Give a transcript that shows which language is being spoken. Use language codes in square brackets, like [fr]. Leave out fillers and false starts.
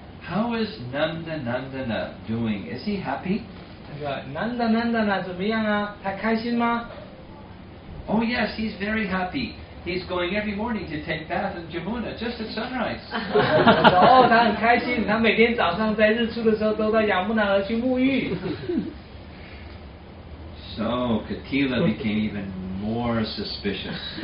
[en] How is Nanda Nandana doing? Is he happy? [zh] 他说, Nanda Nandana 怎么样啊? 他开心吗? [en] Oh yes, he's very happy. He's going every morning to take bath in Jamuna just at sunrise. [zh] 他说, oh, 他很开心, 他每天早上在日出的时候都到雅木那儿去沐浴。 [en] So Katila became even more suspicious.